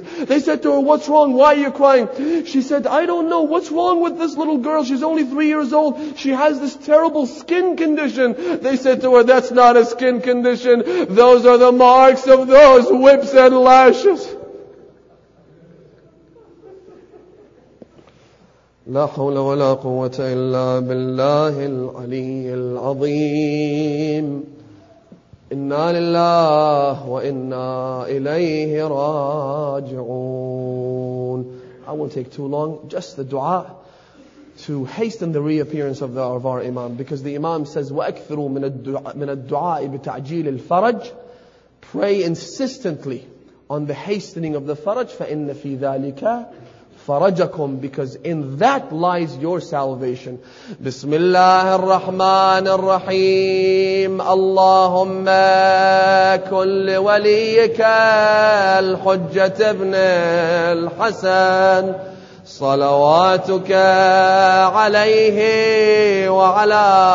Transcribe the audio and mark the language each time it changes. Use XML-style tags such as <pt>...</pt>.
<en>They said to her, what's wrong? Why are you crying? She said, I don't know. What's wrong with this little girl? She's only 3 years old. She has this terrible skin condition. They said to her, that's not a skin condition. Those are the marks of those whips and lashes.</en> <ar>لا حول ولا قوة إلا بالله العلي العظيم. إنا لله وإنا إليه راجعون.</ar> <en>I won't take too long. Just the dua to hasten the reappearance of our imam, because the imam says</en> <ar>وَأَكْثِرُوا مِنَ الدُّعَاءِ بِتَعْجِيلِ الْفَرَجِ.</ar> <en>Pray insistently on the hastening of the faraj.</en> <ar>فَإِنَّ فِي ذَلِكَ فَرَجَكُمْ,</ar> <en>because in that lies your salvation.</en> <ar>بسم الله الرحمن الرحيم. اللهم كن لوليك الحجة ابن الحسن صلواتك عليه وعلى</ar>